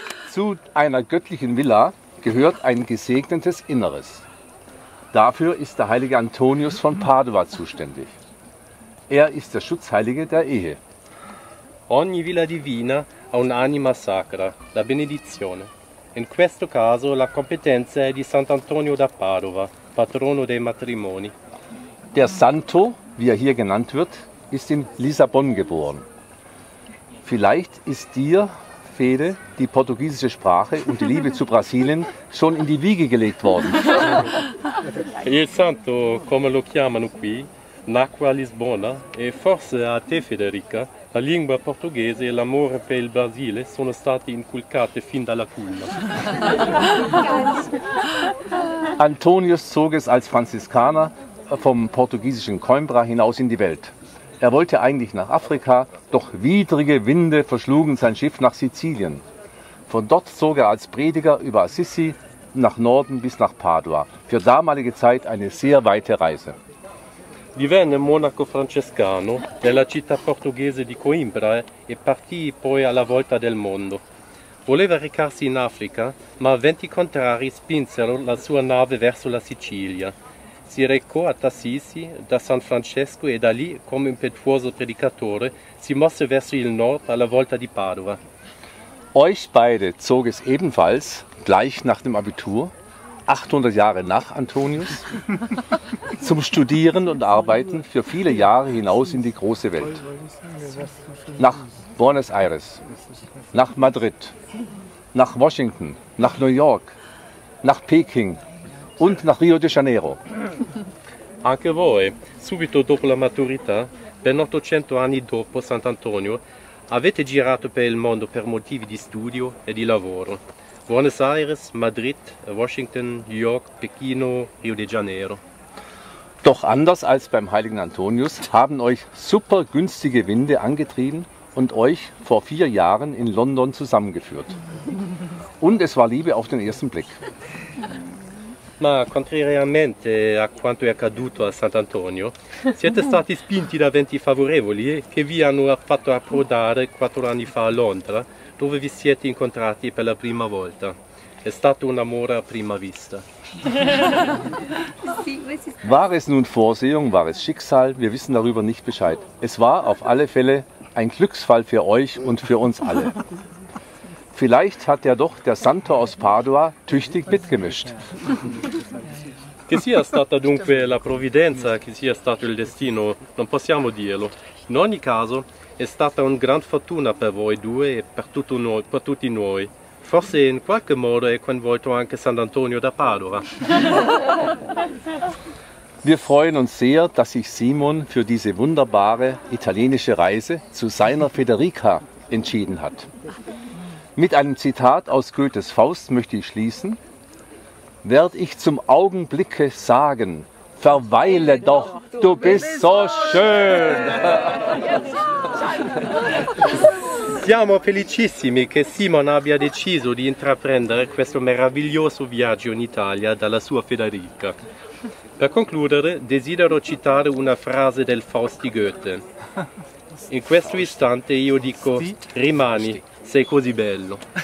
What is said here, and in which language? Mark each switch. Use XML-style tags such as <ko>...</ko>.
<de>Zu einer göttlichen Villa gehört ein gesegnetes Inneres. Dafür ist der heilige Antonius von Padua zuständig. Er ist der Schutzheilige der Ehe.</de> <it>Ogni villa divina ha un'anima sacra, la benedizione. In questo caso la competenza è di Sant'Antonio da Padova, patrono dei matrimoni.</it> <de>Der Santo, wie er hier genannt wird, ist in Lissabon geboren. Vielleicht ist dir, Fede, die portugiesische Sprache und die Liebe zu Brasilien schon in die Wiege gelegt worden.</de> <it>Il Santo, come lo chiamano qui, nacque a Lisbona e forse a te, Federica, la lingua portoghese e l'amore per il Brasile sono state inculcate fin dalla culla.</it> <de>Antonius zog es als Franziskaner vom portugiesischen Coimbra hinaus in die Welt. Er wollte eigentlich nach Afrika, doch widrige Winde verschlugen sein Schiff nach Sizilien. Von dort zog er als Prediger über Assisi nach Norden bis nach Padua. Für damalige Zeit eine sehr weite Reise.</de> <it>Divenne monaco francescano nella città portoghese di Coimbra e partì poi alla volta del mondo. Voleva recarsi in Africa, ma venti contrari spinsero la sua nave verso la Sicilia. Si recò a Assisi, da San Francesco e da lì, come impetuoso predicatore, si mosse verso il nord alla volta di Padova.</it> <de>Euch beide zog es ebenfalls gleich nach dem Abitur, 800 Jahre nach Antonius, zum Studieren und Arbeiten für viele Jahre hinaus in die große Welt. Nach Buenos Aires, nach Madrid, nach Washington, nach New York, nach Peking und nach Rio de Janeiro.</de> <it>Anche voi, subito dopo la maturità, ben 800 anni dopo Sant'Antonio, avete girato per il mondo per motivi di studio e di lavoro. Buenos Aires, Madrid, Washington, New York, Pechino, Rio de Janeiro.</it> <de>Doch anders als beim heiligen Antonius haben euch super günstige Winde angetrieben und euch vor 4 Jahren in London zusammengeführt. Und es war Liebe auf den ersten Blick.</de> <it>Ma contrariamente a quanto è accaduto a Sant'Antonio, siete stati spinti da venti favorevoli che vi hanno fatto approdare 4 anni fa a Londra, dove vi siete incontrati per la prima volta. È stato un amore a prima vista.</it> <de>War es nun Vorsehung, war es Schicksal, wir wissen darüber nicht Bescheid. Es war auf alle Fälle ein Glücksfall für euch und für uns alle. Vielleicht hat ja doch der Santo aus Padua tüchtig mitgemischt.</de> <it>Che sia stata dunque la provvidenza, che sia stato il destino, non possiamo dirlo. In ogni caso, è stata una gran fortuna per voi due e per tutti noi. Forse in qualche modo è coinvolto anche Sant'Antonio da Padova.</it> <de>Wir freuen uns sehr, dass sich Simon für diese wunderbare italienische Reise zu seiner Federica entschieden hat. Mit einem Zitat aus Goethes Faust möchte ich schließen. Werd ich zum Augenblicke sagen, verweile doch, du bist so schön!</de> <it>Siamo felicissimi che Simon abbia deciso di intraprendere questo meraviglioso viaggio in Italia dalla sua Federica. Per concludere, desidero citare una frase del Faust di Goethe. In questo istante io dico, rimani, sei così bello.</it>